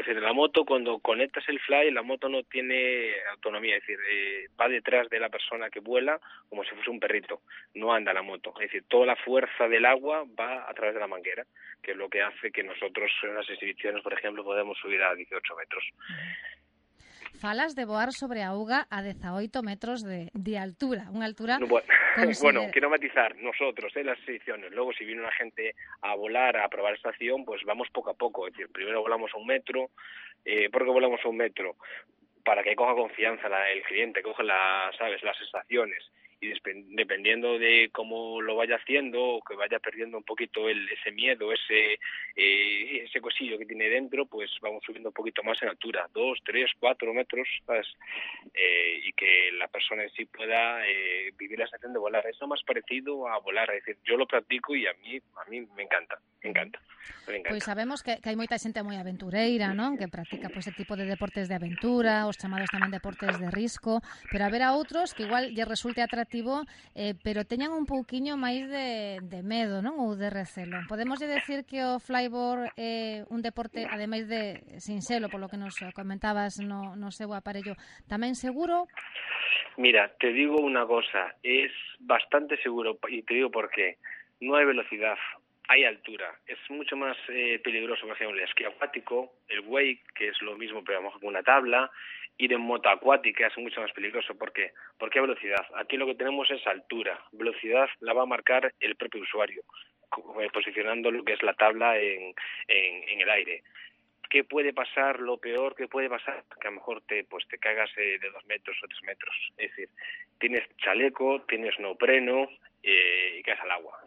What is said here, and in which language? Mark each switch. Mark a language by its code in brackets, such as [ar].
[es] Es decir, la moto, cuando conectas el fly, la moto no tiene autonomía, es decir, va detrás de la persona que vuela como si fuese un perrito, no anda la moto. Es decir, toda la fuerza del agua va a través de la manguera, que es lo que hace que nosotros en las exhibiciones, por ejemplo, podemos subir a 18 metros. [gl] Falas de voar sobre a auga a 18 metros de altura, unha altura... [es] Bueno, quiero matizar, nosotros, las exhibiciones, luego si viene una gente a volar, a probar esta acción, pues vamos poco a poco, es decir, primero volamos a un metro, ¿por qué volamos a un metro? Para que coja confianza el cliente, coja las sensaciones, y dependiendo de cómo lo vaya haciendo, o que vaya perdiendo un poquito ese miedo, ese cosillo que tiene dentro, pues vamos subiendo un poquito más en altura, 2, 3, 4 metros, ¿sabes? Y que la persona en sí pueda vivir la sensación de volar. Es lo más parecido a volar, es decir, yo lo practico y a mí me encanta. [gl] Pues sabemos que hay moita xente moi aventureira, non? Que practica pues, ese tipo de deportes de aventura, os chamados tamén deportes de risco, pero haberá outros que igual lle resulte atractivo atractivo, pero teñan un pouquiño máis de medo, non? Ou de recelo. Podemos decir que o flyboard é un deporte, ademais de sinxelo, polo que nos comentabas no seu aparello, tamén seguro? Mira, te digo unha cosa, é bastante seguro, e te digo por qué. Non hai velocidade, hai altura. É moito máis peligroso, por exemplo, o esquí acuático, o wake, que é o mesmo, pero con unha tabla, [es] ir en moto acuática es mucho más peligroso. ¿Por qué? Porque a velocidad. Aquí lo que tenemos es altura. Velocidad la va a marcar el propio usuario, posicionando lo que es la tabla en el aire. ¿Qué puede pasar? Lo peor que puede pasar, que a lo mejor te cagas de 2 metros o 3 metros. Es decir, tienes chaleco, tienes neopreno y caes al agua.